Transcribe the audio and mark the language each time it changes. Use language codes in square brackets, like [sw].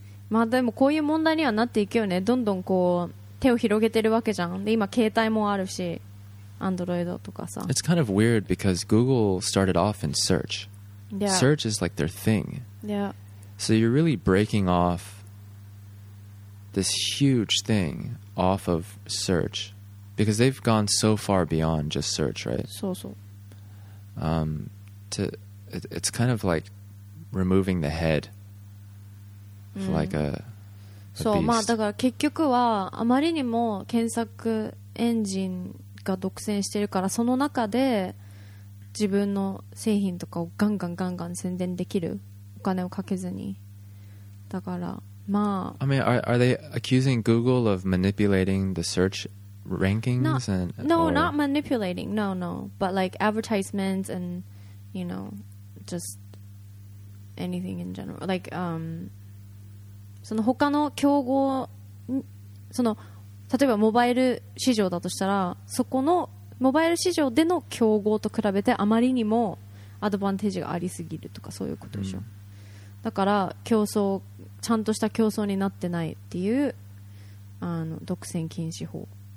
[ja] まあでもこういう問題にはなっていくよね。どんどんこう手を広げてるわけじゃん。で今携帯もあるし、Android とかさ。 [en] It's kind of weird because Google started off in search. Yeah. Search is like their thing. Yeah. So you're really breaking off this huge thing off of search because they've gone so far beyond just search, right? [ja] そうそう。 [en] It's kind of like removing the head. Like a [ja] そう、まあだから結局はあまりにも検索エンジンが独占してるからその中で自分の製品とかをガンガンガンガン宣伝できるお金をかけずにだからまあ [en] I mean are they accusing Google of manipulating the search rankings not, and No, or? Not manipulating. No, no. But like advertisements and you know just anything in general like [ja] その他の競合その例えばモバイル市場だとしたらそこのモバイル市場での競合と比べてあまりにもアドバンテージがありすぎるとかそういうことでしょ、うん、だから競争ちゃんとした競争になってないっていうあの独占禁止法